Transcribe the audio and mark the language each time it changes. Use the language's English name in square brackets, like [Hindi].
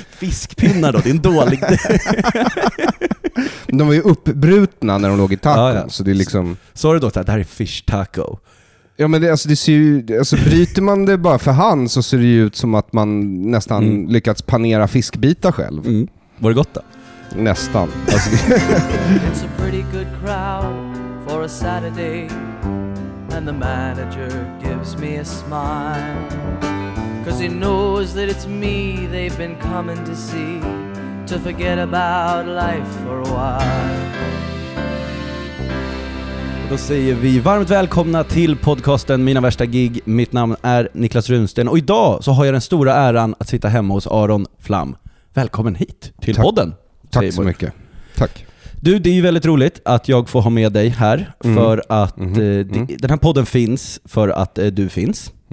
[Swedish] Fiskpinnar då, det är en dålig dejt. De var ju uppbrutna när de låg i tacon. Så det är liksom... Sa du då att det här är fish taco? Ja, men det ser ju, alltså bryter man det bara för hand, så ser det ju ut som att man nästan lyckats panera fiskbitar själv. Var det gott då? Nästan. [English] It's a pretty good crowd for a Saturday, and the manager gives me a smile, 'cause he knows that it's me they've been coming to see, to forget about life for a while. [Swedish] Då säger vi varmt välkomna till podcasten Mina värsta gig. Mitt namn är Niklas Runsten, och idag så har jag den stora äran att sitta hemma hos Aron Flam. Välkommen hit till podden. Tack så mycket. Tack. Du, det är ju väldigt roligt att jag får ha med dig här för att den här podden finns för att du finns.